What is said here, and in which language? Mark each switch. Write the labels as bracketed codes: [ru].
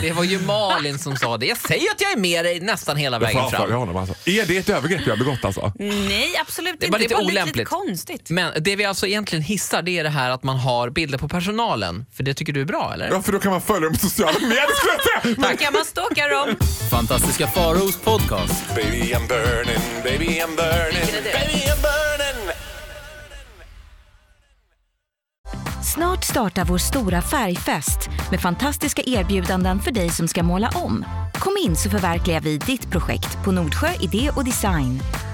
[sv] Det var ju Malin som sa det. Jag säger att jag är med dig nästan hela vägen fram. Jag honom alltså. Är det ett övergrepp jag har begått alltså? Nej, absolut inte. Det var olämpligt. Lite konstigt. Men det vi alltså egentligen hissar, det är det här att man har bilder på personalen. För det tycker du är bra, eller? Ja, för då kan man följa dem på sociala medier. Tack. stalkar dem. Fantastiska Faros podcast. [en] Baby I'm burning, baby I'm burning, baby I'm burning. [sv] Snart startar vår stora färgfest med fantastiska erbjudanden för dig som ska måla om. Kom in så förverkligar vi ditt projekt på Nordsjö Idé och Design.